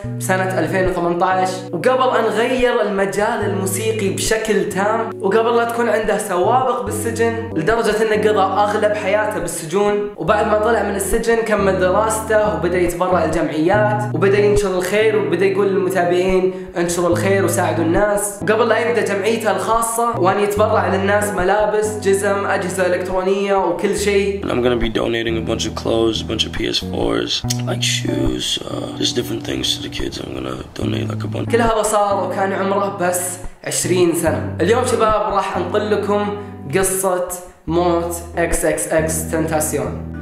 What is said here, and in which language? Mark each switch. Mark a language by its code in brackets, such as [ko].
[ar] بسنة 2018, وقبل ان غير المجال الموسيقي بشكل تام, وقبل لا تكون عنده سوابق بالسجن لدرجة انه قضى اغلب حياته بالسجون, وبعد ما طلع من السجن كمل دراسته وبدأ يتبرع الجمعيات وبدأ ينشر الخير وبدأ يقول للمتابعين انشروا الخير وساعدوا الناس, وقبل لا يبدأ جمعيته الخاصة وان يتبرع للناس ملابس جزم اجهزة الكترونية وكل شيء. [en] Donating a bunch of clothes, a bunch of PS4s, like shoes, just different things to the kids. I'm gonna donate like a bunch. [ar] كل هذا صار وكان عمره بس 20 سنة. اليوم شباب راح أنقل لكم قصة موت XXXTentacion.